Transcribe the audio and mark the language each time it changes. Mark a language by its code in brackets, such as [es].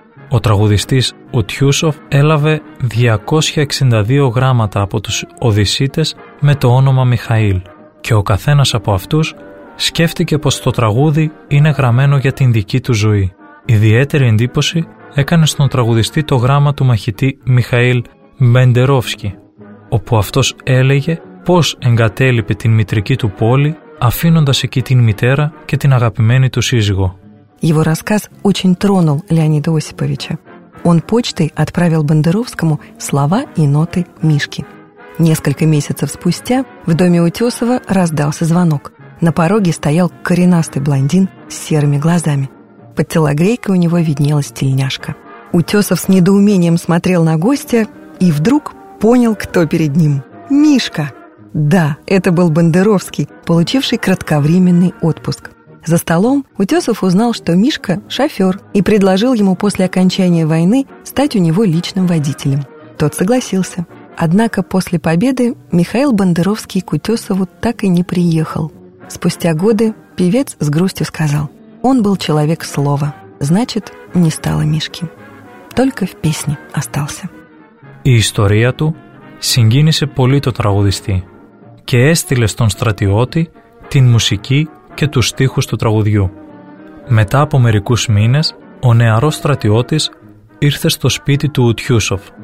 [el] Ο τραγουδιστής Ουτιούσοφ έλαβε 262 γράμματα από τους Οδυσσίτες με το όνομα Μιχαήλ και ο καθένας από αυτούς σκέφτηκε πως το τραγούδι είναι γραμμένο για την δική του ζωή. Ιδιαίτερη εντύπωση έκανε στον τραγουδιστή το γράμμα του μαχητή Μιχαήλ Μπεντερόφσκι, όπου αυτός έλεγε πως εγκατέλειπε την μητρική του πόλη, αφήνοντας εκεί την μητέρα και την αγαπημένη του σύζυγο. [ru] Его рассказ очень тронул Леонида Осиповича. Он почтой отправил Бендеровскому слова и ноты Мишки. Несколько месяцев спустя в доме Утесова раздался звонок. На пороге стоял коренастый блондин с серыми глазами. Под телогрейкой у него виднелась тельняшка. Утесов с недоумением смотрел на гостя и вдруг понял, кто перед ним. Мишка! Да, это был Бендеровский, получивший кратковременный отпуск. За столом Утесов узнал, что Мишка – шофер, и предложил ему после окончания войны стать у него личным водителем. Тот согласился. Однако после победы Михаил Бендеровский к Утесову так и не приехал. Спустя годы певец с грустью сказал: «Он был человек слова, значит, не стало Мишки. Только в песне остался». [el] И история ту συγκίνησε πολύ το τραγουδιστή και έστειλε στον στρατιώτη την μουσική και τους στίχους του τραγουδιού. Μετά από μερικούς μήνες, ο νεαρός στρατιώτης ήρθε στο σπίτι του Ουτιούσοφ.